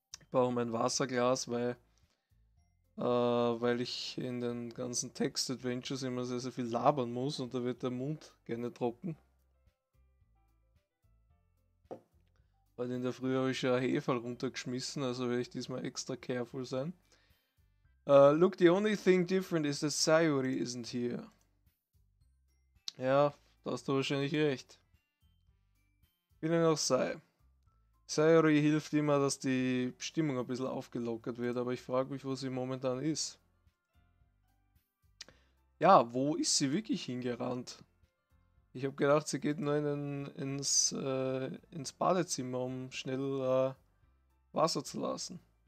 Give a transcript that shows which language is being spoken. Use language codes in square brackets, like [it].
[de] Brauche mein Wasserglas, weil ich in den ganzen Text-Adventures immer sehr, sehr viel labern muss und da wird der Mund gerne trocken. Weil in der Früh habe ich schon ein Heferl runtergeschmissen, also werde ich diesmal [en] extra careful [de] sein. [en] Look, the only thing different is that Sayuri isn't here. [de] Ja, da hast du wahrscheinlich recht. Wie denn auch sei. Sayuri hilft immer, dass die Stimmung ein bisschen aufgelockert wird, aber ich frage mich, wo sie momentan ist. Ja, wo ist sie wirklich hingerannt? Ich habe gedacht, sie geht nur ins Badezimmer, um schnell Wasser zu lassen.